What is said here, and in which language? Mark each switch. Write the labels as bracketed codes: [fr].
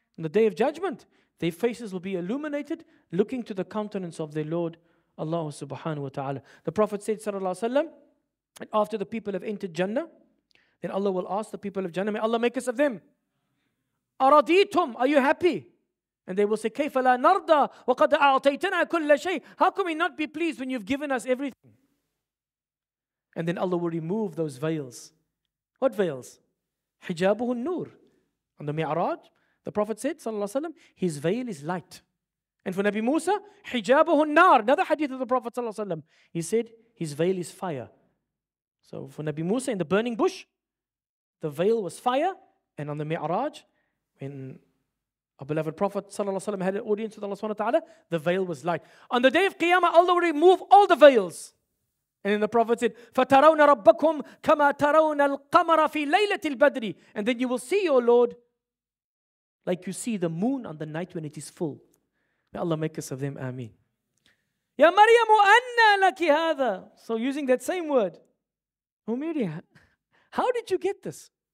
[en] In the day of judgment, their faces will be illuminated, looking to the countenance of their Lord, Allah subhanahu wa ta'ala. The Prophet said, sallallahu alayhi wa sallam, after the people have entered Jannah, then Allah will ask the people of Jannah, may Allah make us of them. [ar] أَرَضِيتُمْ, [en] are you happy? And they will say, [ar] كَيْفَ لَا نَرْضَى وَقَدْ أَعْطَيْتَنَا كُلَّ شَيْءٍ. [en] How can we not be pleased when you've given us everything? And then Allah will remove those veils. What veils? [ar] حِجَابُهُ النُّور. [en] On the Mi'raj, the Prophet said, sallallahu alayhi wa sallam, his veil is light. And for Nabi Musa, [ar] حِجَابُهُ النَّار. [en] Another hadith of the Prophet sallallahu alayhi wa sallam, he said, his veil is fire. So for Nabi Musa in the burning bush, the veil was fire. And on the Mi'raj, when our beloved Prophet sallallahu alayhi wa sallam had an audience with Allah subhanahu wa ta'ala, the veil was light. On the day of Qiyamah, Allah will remove all the veils. And then the Prophet said, [ar] فَتَرَوْنَ رَبَّكُمْ كَمَا تَرَوْنَ الْقَمَرَ فِي لَيْلَةِ الْبَدْرِ. [en] And then you will see your Lord like you see the moon on the night when it is full. May Allah make us of them. [ar] Ameen. يَا مَرْيَمُ أَنَّا لَكِ هَذَا. [en] So using that same word, Umiri, how did you get this?